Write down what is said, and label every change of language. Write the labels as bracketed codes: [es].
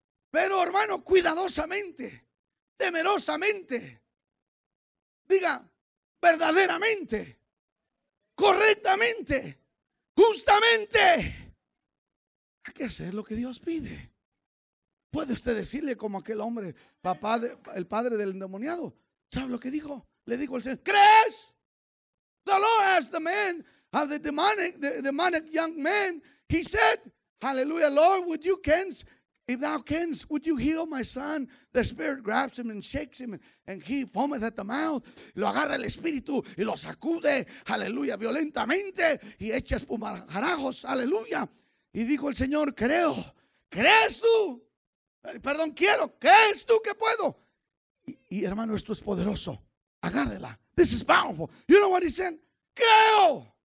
[es] Pero, hermano, cuidadosamente, temerosamente, diga, verdaderamente, correctamente, justamente, hay que hacer lo que Dios pide. ¿Puede usted decirle como aquel hombre, papá, el padre del endemoniado? ¿Sabe lo que dijo? Le dijo el Señor: ¿crees? [en] The Lord asked the man of the demonic young man. He said, hallelujah, Lord, would you canst, if thou canst, would you heal my son? The spirit grabs him and shakes him, and he foameth at the mouth. [es] Lo agarra el espíritu y lo sacude, aleluya, violentamente, y echa espumarajos, aleluya. Y dijo el Señor: creo. ¿Crees tú? Perdón, quiero. ¿Crees tú que puedo? Y hermano, esto es poderoso. Agárrela. [en] This is powerful. You know what he said? [es] Creo.